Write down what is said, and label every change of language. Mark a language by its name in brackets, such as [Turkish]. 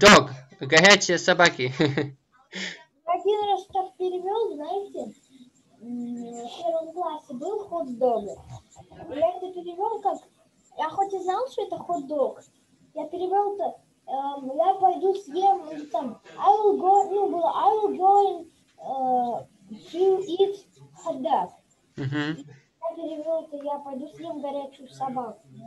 [Russian] dog. Горячие собаки. Один раз так перевел, знаете, в первом классе был хот-дог. Я это перевел как... Я хоть и знал, что это хот-дог, я перевел-то... я пойду съем, или там... [English] I will go... [Russian] Ну, было... [English] I will go and to eat hot-dog. Uh-huh. [Russian] Я перевел-то, я пойду съем горячую собаку.